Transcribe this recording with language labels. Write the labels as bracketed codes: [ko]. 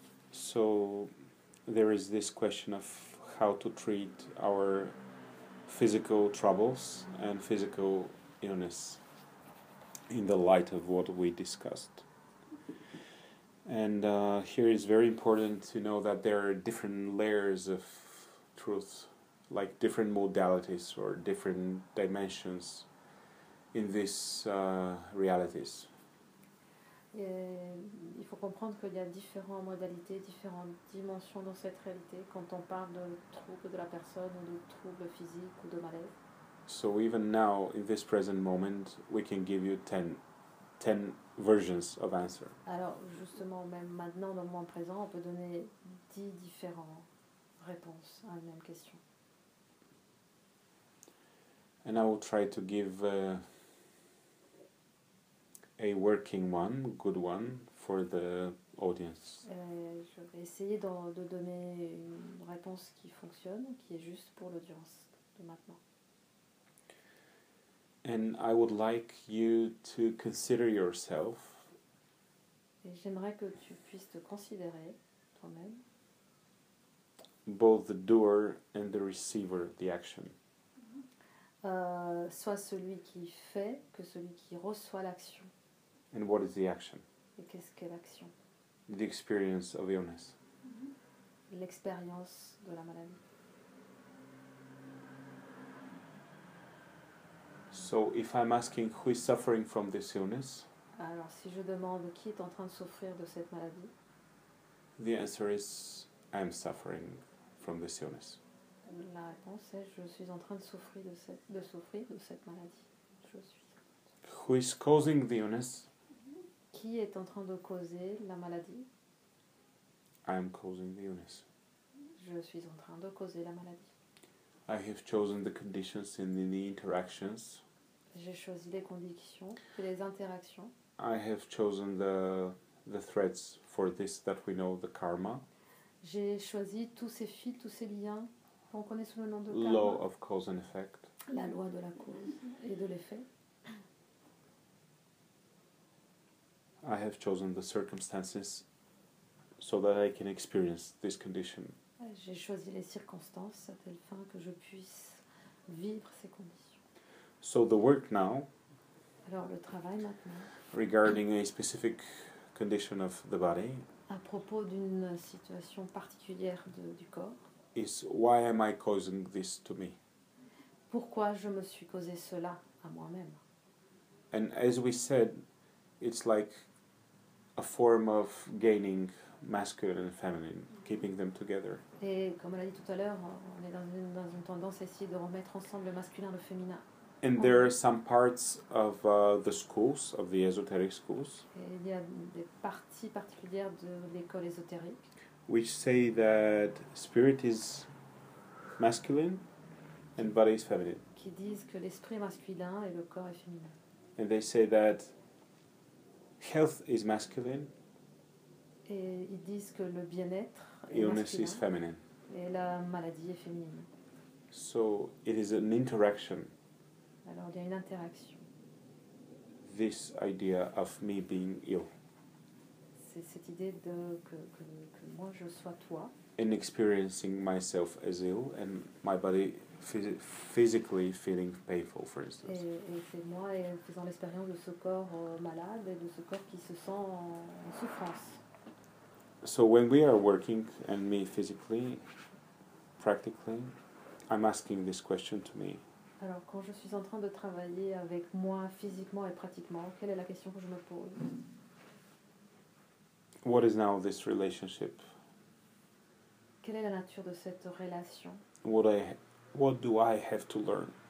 [en] So there is this question of how to treat our physical troubles and physical illness in the light of what we discussed. And here it's very important to know that there are different layers of truth, like different modalities or different dimensions in these realities. [fr] Et il faut comprendre qu'il y a différentes modalités, différentes dimensions dans cette réalité quand on parle de troubles de la personne ou de troubles physiques ou de malaise. [en] So even now, in this present moment, we can give you 10 versions of answer. [fr] Alors justement, même maintenant, dans le moment présent, on peut donner 10 différentes réponses à la même question. [en] And I will try to give a working one, good one, for the audience. [fr] Je vais essayer de donner une réponse qui fonctionne, qui est juste pour l'audience de maintenant. [en] And I would like you to consider yourself. [fr] Et j'aimerais que tu puisses te considérer toi-même. [en] Both the doer and the receiver of the action. [fr] Soit celui qui fait que celui qui reçoit l'action. [en] And what is the action? [fr] Et qu'est-ce qu'est l'action? [en] The experience of illness. [fr] Mm-hmm. L'expérience de la maladie. [en] So if I'm asking who is suffering from this illness? [fr] Alors si je demande qui est en train de souffrir de cette maladie? [en] The answer is I'm suffering from this illness. [fr] La réponse est je suis en train de souffrir de cette maladie. Je suis. [en] Who is causing the illness? [fr] Qui est en train de causer la maladie? [en] I am causing the illness. [fr] Je suis en train de causer la maladie. [en] I have chosen the conditions and the interactions. [fr] J'ai choisi les conditions et les interactions. [en] I have chosen the threads for this that we know the karma. [fr] J'ai choisi tous ces fils, tous ces liens qu'on connaît sous le nom de karma. [en] Law of cause and effect. [fr] La loi de la cause et de l'effet. [en] I have chosen the circumstances so that I can experience this condition. [fr] J'ai choisi les circonstances à telle fin que je puisse vivre ces conditions. [en] So the work now. [fr] Alors le travail maintenant. [en] Regarding a specific condition of the body. [fr] À propos d'une situation particulière du corps. [en] Is why am I causing this to me? [fr] Pourquoi je me suis causé cela à moi-même? [en] And as we said, it's like a form of gaining masculine and feminine, keeping them together. [fr] Et comme on l'a dit tout à l'heure, on est dans une tendance à essayer de remettre ensemble le masculin et le féminin. [en] And there are some parts of the schools, of the esoteric schools. [fr] Et il y a des parties particulières de l'école ésotérique. [en] Which say that spirit is masculine and body is feminine. [fr] Qui disent que l'esprit est masculin et le corps est féminin. [en] And they say that health is masculine. [fr] Et ils disent que le bien-être [en] illness [fr] est masculin. [en] Is [fr] et la maladie est féminine. [en] So it is an interaction. [fr] Alors il y a une interaction. [en] This idea of me being ill. [fr] C'est cette idée de que moi je sois toi. [en] In experiencing myself as ill and my body physically feeling painful, for instance. [fr] Et c'est moi et faisant l'expérience de ce corps malade et de ce corps qui se sent en souffrance. [en] So when we are working and me physically, practically, I'm asking this question to me. [fr] Alors quand je suis en train de travailler avec moi physiquement et pratiquement, quelle est la question que je me pose? [en] What is now this relationship? [fr] Quelle est la nature de cette relation? [en] What do I have to learn?